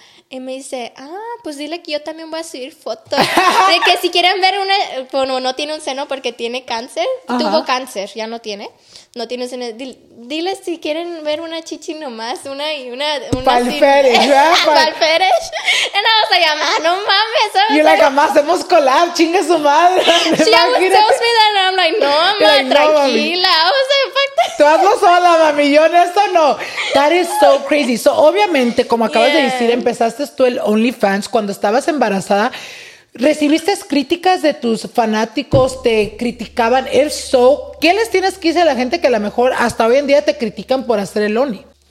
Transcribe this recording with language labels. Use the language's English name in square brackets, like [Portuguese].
[Spanish] Y me dice, pues dile que yo también voy a subir fotos. De que si quieren ver una, bueno, no tiene un seno porque tiene cáncer. Ajá. Tuvo cáncer, ya no tiene. No tiene un seno. Dile si quieren ver una chichi nomás, una y una. Palferes, Palferes. Y nada, vamos a llamar, no mames. Y la mamá, hacemos collab, chingue su madre. [English] She tells me that and I'm like, no, mamá, like, tranquila. [Spanish] No, vamos a impactar. Tú hazlo sola, mami, yo en esto no. [English] That is so crazy. [Spanish] So, obviamente, como acabas de decir, empezaste tú el OnlyFans cuando estabas embarazada. ¿Recibiste críticas de tus fanáticos? ¿Te criticaban? If so, ¿qué les tienes que decir a la gente que a lo mejor hasta hoy en día te critican por hacer el Only?